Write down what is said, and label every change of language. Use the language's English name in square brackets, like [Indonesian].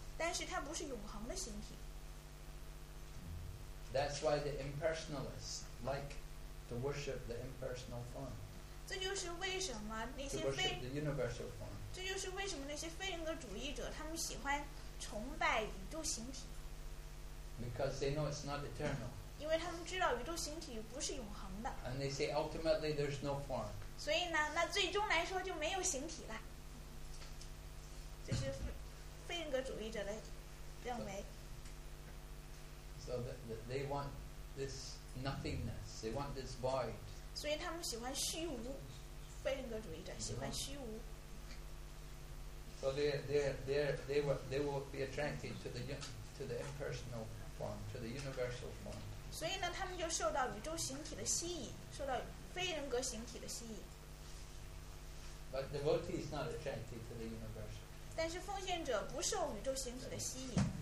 [Chinese] 但是它不是永恒的形体。 [English] That's why the impersonalists like to worship the impersonal form. [Chinese] 这就是为什么那些非 [English] to worship the universal form. [Chinese] 这就是为什么那些非人格主义者他们喜欢崇拜宇宙形体。 [English] Because they know it's not eternal. [Chinese] 因为他们知道宇宙形体不是永恒的。 [English] And they say ultimately there's no form. [Chinese] 所以呢，那最终来说就没有形体了。这是非人格主义者的认为。 [English] So that they want this nothingness. They want this void. [Chinese] 所以他们喜欢虚无，非人格主义者喜欢虚无。 [English] So they will be attracted to the impersonal form, to the universal form. [Chinese] 所以呢，他们就受到宇宙形体的吸引，受到非人格形体的吸引。 [English] But devotee is not attracted to the universal. [Chinese] 但是奉献者不受宇宙形体的吸引。